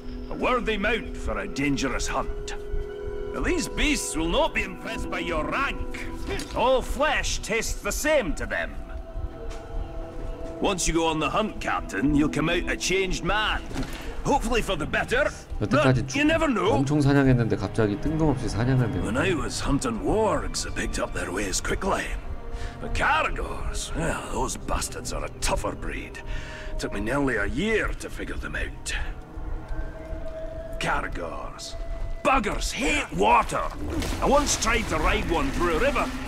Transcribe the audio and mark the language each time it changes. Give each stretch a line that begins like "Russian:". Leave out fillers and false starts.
English: A worthy mount for a dangerous hunt. Now these beasts will not be impressed by your rank. All flesh tastes the same to them. Once you go on the hunt, Captain, you'll come out a changed man. Hopefully for the better. But you never know.
Korean: 엄청 사냥했는데 갑자기 뜬금없이 사냥을 배워.
English: When I was hunting wargs, I picked up their ways quickly. But Caragors, well, those bastards are a tougher breed. Took me nearly a year to figure them out. Caragors. Buggers hate water. I once tried to ride one through a river.